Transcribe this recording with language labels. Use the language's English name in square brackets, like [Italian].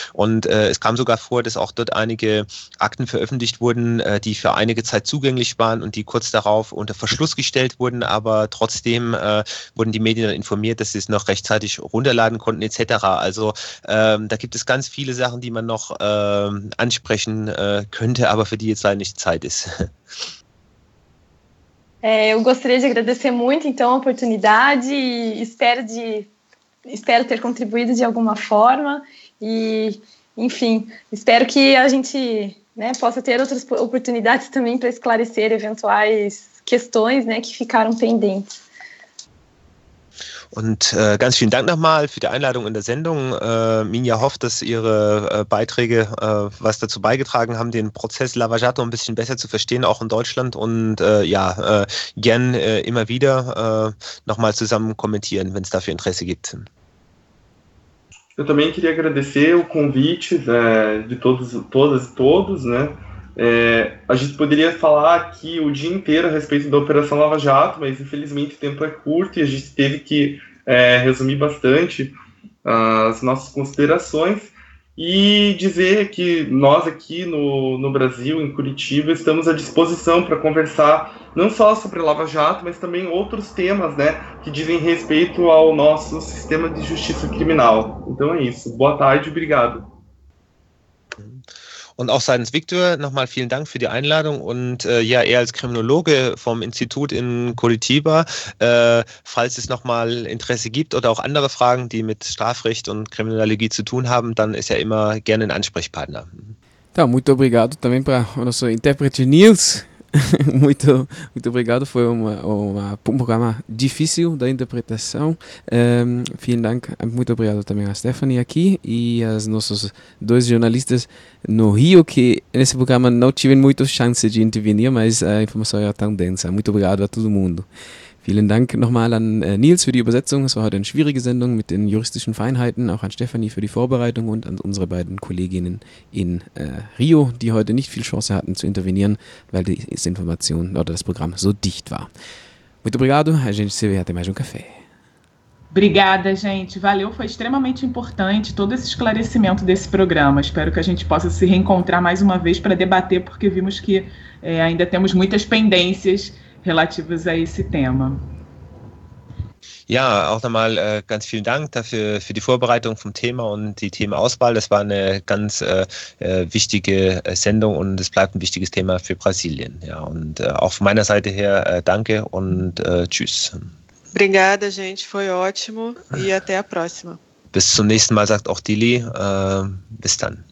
[German] Und es kam sogar vor, dass auch dort einige Akten veröffentlicht wurden, die für einige Zeit zugänglich waren und die kurz darauf unter Verschluss gestellt wurden, aber trotzdem wurden die Medien dann informiert, dass sie es noch rechtzeitig runterladen konnten etc. Also da gibt es ganz viele Sachen, die man noch ansprechen könnte, aber für die jetzt leider nicht Zeit ist. [Portuguese] Eu gostaria de agradecer muito então a oportunidade e espero ter contribuído de alguma forma e enfim, espero que a gente, né, possa ter outras oportunidades também para esclarecer eventuais questões, né, que ficaram pendentes. [German] Und ganz vielen Dank nochmal für die Einladung in der Sendung. Minja hofft, dass Ihre Beiträge was dazu beigetragen haben, den Prozess Lava Jato ein bisschen besser zu verstehen, auch in Deutschland. Und gern immer wieder nochmal zusammen kommentieren, wenn es dafür Interesse gibt. [Portuguese] Eu também queria agradecer o convite de todos, né? A gente poderia falar aqui o dia inteiro a respeito da Operação Lava Jato, mas infelizmente o tempo é curto e a gente teve que resumir bastante as nossas considerações e dizer que nós aqui no Brasil, em Curitiba, estamos à disposição para conversar não só sobre Lava Jato, mas também outros temas, né, que dizem respeito ao nosso sistema de justiça criminal. Então é isso. Boa tarde, obrigado. [German] Und auch seitens Victor nochmal vielen Dank für die Einladung und ja, er als Kriminologe vom Institut in Curitiba, falls es nochmal Interesse gibt oder auch andere Fragen, die mit Strafrecht und Kriminologie zu tun haben, dann ist er immer gerne ein Ansprechpartner. [Portuguese] Tá, muito obrigado também para o nosso intérprete Nils. Muito, muito obrigado, foi um programa difícil da interpretação. [German] Vielen Dank, [Portuguese] muito obrigado também a Stephanie aqui e aos nossos dois jornalistas no Rio, que nesse programa não tive muita chance de intervenir, mas a informação era tão densa. Muito obrigado a todo mundo. [German] Vielen Dank nochmal an Nils für die Übersetzung. Es war heute eine schwierige Sendung mit den juristischen Feinheiten. Auch an Stephanie für die Vorbereitung und an unsere beiden Kolleginnen in Rio, die heute nicht viel Chance hatten zu intervenieren, weil die Information oder das Programm so dicht war. [Portuguese] Muito obrigado. A gente se vê até mais café. Obrigada, gente. Valeu. Foi extremamente importante todo esse esclarecimento desse programa. Espero que a gente possa se reencontrar mais uma vez para debater, porque vimos que ainda temos muitas pendências relativas a esse tema. [German] Ja, auch nochmal ganz vielen Dank dafür für die Vorbereitung vom Thema und die Themenauswahl. Das war eine ganz wichtige Sendung und es bleibt ein wichtiges Thema für Brasilien. Ja, und auch von meiner Seite her danke und tschüss. [Portuguese] Obrigada, gente. Foi ótimo. E até a próxima. [German] Bis zum nächsten Mal, sagt auch Dili. Bis dann.